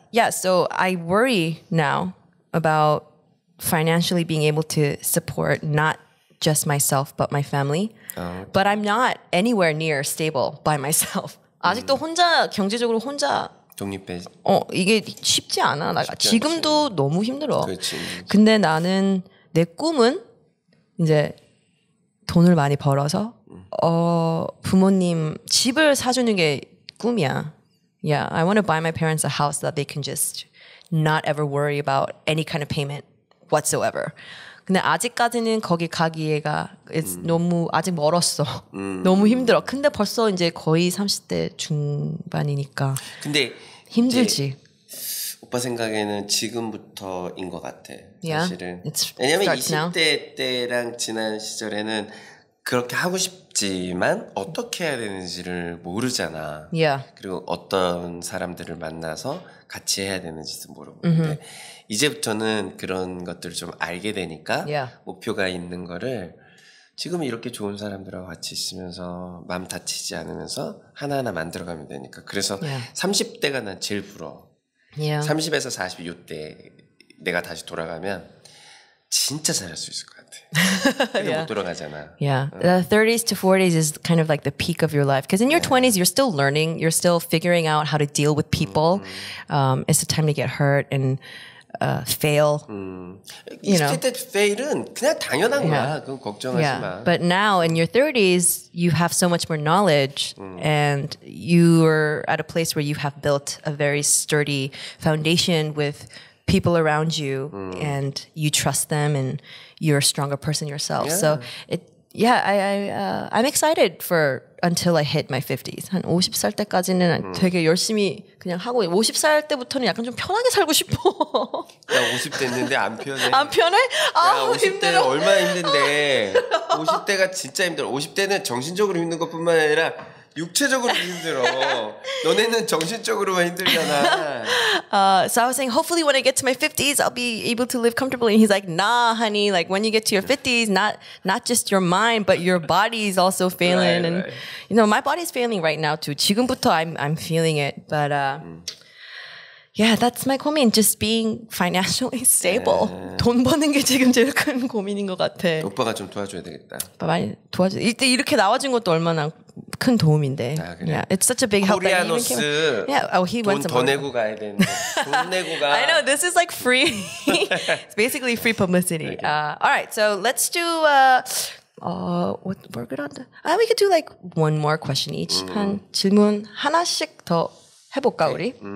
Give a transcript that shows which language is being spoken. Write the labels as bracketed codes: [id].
[en] So I worry now about financially being able to support not just myself but my family. Oh. But I'm not anywhere near stable by myself. [ko] 아직도 혼자 경제적으로 혼자 독립해. 이게 쉽지 않아. 나 지금도 않지. 너무 힘들어. 그렇지. 근데 나는 내 꿈은 이제 돈을 많이 벌어서 부모님 집을 사주는 게 꿈이야. [en] Yeah, I want to buy my parents a house that they can just not ever worry about any kind of payment whatsoever. [ko] 근데 아직까지는 거기 가기가 [en] it's [ko] 너무 아직 멀었어. 너무 힘들어. 근데 벌써 이제 거의 30대 중반이니까. 근데 힘들지. 오빠 생각에는 지금부터인 것 같아. [en] Yeah? [ko] 사실은. 왜냐면 20대 때랑 지난 시절에는 그렇게 하고 싶지만 어떻게 해야 되는지를 모르잖아. [en] Yeah. [ko] 그리고 어떤 사람들을 만나서 같이 해야 되는지도 모르는데 [en] mm-hmm. [ko] 이제부터는 그런 것들을 좀 알게 되니까 [en] yeah. [ko] 목표가 있는 거를 지금 이렇게 좋은 사람들하고 같이 있으면서 마음 다치지 않으면서 하나하나 만들어가면 되니까 그래서 [en] yeah. [ko] 30대가 난 제일 부러워. [en] Yeah. [ko] 30에서 40 이때 내가 다시 돌아가면 진짜 잘할 수 있을 것 같아. 예. [en] The 30s to 40s is kind of like the peak of your life. Because in your 20s, you're still learning. You're still figuring out how to deal with people. It's the time to get hurt and fail. You know. [ko] 20대 fail은 그냥 당연한 거야. 그건 걱정하지 마. [en] But now in your 30s, you have so much more knowledge. And you're at a place where you have built a very sturdy foundation with people around you. And you trust them and you're a stronger person yourself. Yeah. So it yeah, I'm excited for until I hit my 50s. [ko] 한 50살 때까지는 되게 열심히 그냥 하고 50살 때부터는 약간 좀 편하게 살고 싶어. 나 50 됐는데 안 편해. 안 편해? 아, 50대 얼마나 힘든데. 50대가 진짜 힘들어. 50대는 정신적으로 힘든 것뿐만 아니라 육체적으로 힘들어. 너네는 정신적으로만 힘들잖아. [en] So I was saying, hopefully when I get to my 50s, I'll be able to live comfortably. And he's like, nah, honey, like when you get to your 50s, not just your mind, but your body is also failing. Right, and, right. You know, my body is failing right now too. [ko] 지금부터 [en] I'm feeling it. But yeah, that's my 고민, just being financially stable. [ko] 돈 버는 게 지금 제일 큰 고민인 것 같아. 오빠가 좀 도와줘야 되겠다. 오빠 도와줘. 이렇게 나와준 것도 얼마나 큰 도움인데. 아, 그래. [en] Yeah, it's such a big help. [ko] 코리아노스. [en] Yeah, oh, he wants some. [ko] 돈 더 내고 가야 되는. 돈 내고 가. [en] I know this is like free. It's basically free publicity. All right, so let's do. We're good on that. We could do like one more question each. [ko] 한 질문 하나씩 더 해볼까 우리.